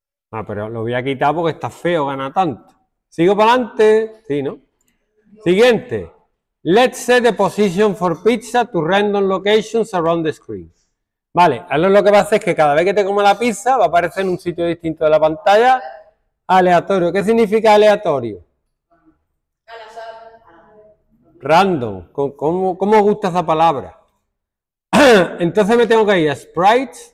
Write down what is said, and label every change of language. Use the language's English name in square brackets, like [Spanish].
[Spanish] Ah, pero lo voy a quitar porque está feo, gana tanto. Sigo para adelante. Sí, ¿no? Siguiente. [English] Let's set the position for pizza to random locations around the screen. [Spanish] Vale, ahora lo que va a hacer es que cada vez que te coma la pizza va a aparecer en un sitio distinto de la pantalla. Aleatorio. ¿Qué significa aleatorio? Random. ¿Cómo gusta esa palabra? Entonces me tengo que ir a sprite.